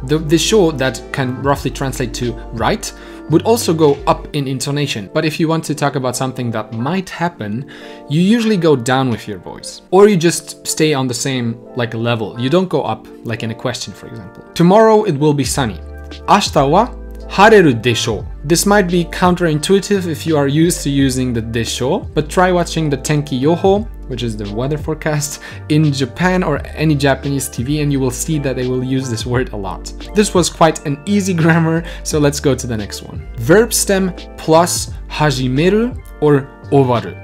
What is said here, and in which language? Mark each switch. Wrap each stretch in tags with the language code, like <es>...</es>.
<en>The desho that can roughly translate to right would also go up in intonation. But if you want to talk about something that might happen, you usually go down with your voice. Or you just stay on the same like level. You don't go up like in a question, for example. Tomorrow it will be sunny.</en> <ja>明日は晴れるでしょう.</ja> <en>This might be counterintuitive if you are used to using the desho, but try watching the tenki yoho, which is the weather forecast, in Japan or any Japanese TV and you will see that they will use this word a lot. This was quite an easy grammar, so let's go to the next one. Verb stem plus hajimeru or owaru.</en>